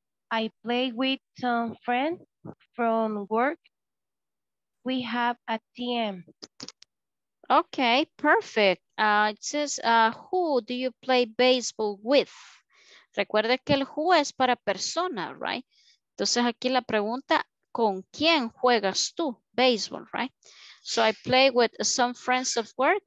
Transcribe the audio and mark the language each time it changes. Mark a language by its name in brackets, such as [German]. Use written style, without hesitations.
[English] I play with some friends. From work, we have a team. Okay, perfect. It says, who do you play baseball with? [Spanish] Recuerda que el who es para persona, right? Entonces aquí la pregunta, ¿con quién juegas tú baseball, right? [English] So I play with some friends of work.